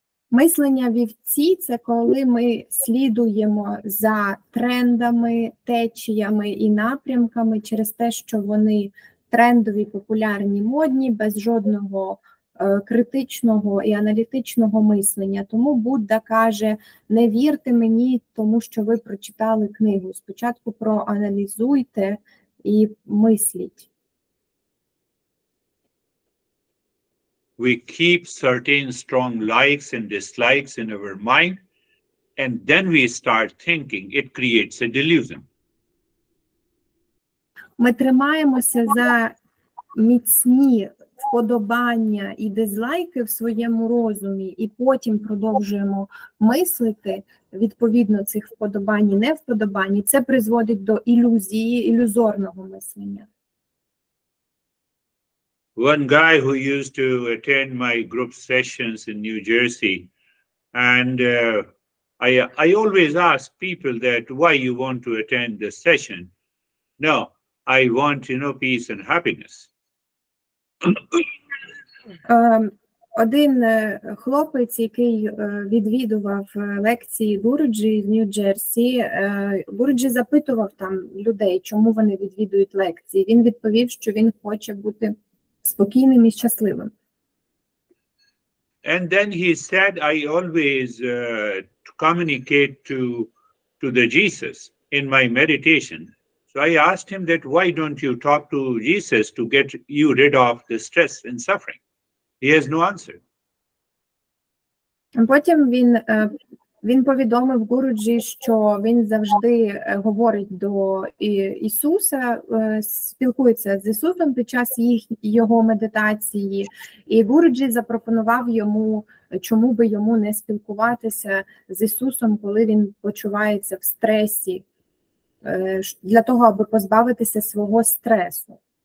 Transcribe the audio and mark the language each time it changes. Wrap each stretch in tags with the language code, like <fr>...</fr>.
<uk>Мислення вівці – це коли ми слідуємо за трендами, течіями і напрямками через те, що вони трендові, популярні, модні, без жодного критичного і аналітичного мислення. Тому Будда каже, не вірте мені, тому що ви прочитали книгу. Спочатку проаналізуйте і мисліть.</uk> <en>We keep certain strong likes and dislikes in our mind, and then we start thinking. It creates a delusion.</en> <uk>Ми тримаємося за міцні вподобання і дизлайки в своєму розумі, і потім продовжуємо мислити відповідно цих вподобань і невподобань. Це призводить до ілюзії, ілюзорного мислення.</uk> <en>One guy who used to attend my group sessions in New Jersey, and I always ask people that why you want to attend the session. No, I want, you know, peace and happiness.</en> <uk>Один хлопець, який відвідував лекції Гуруджі в Нью-Джерсі, Гуруджі запитував там людей, чому вони відвідують лекції. Він відповів, що він хоче бути спокійним і щасливим.</uk> <en>And then he said, I always communicate to the Jesus in my meditation. So I asked him that, why don't you talk to Jesus to get you rid of the stress and suffering? He has no answer.</en> <uk>Потім він повідомив Гуруджі, що він завжди говорить до Ісуса, спілкується з Ісусом під час його медитації. І Гуруджі запропонував йому, чому би йому не спілкуватися з Ісусом, коли він почувається в стресі, для того, аби позбавитися свого стресу.</uk>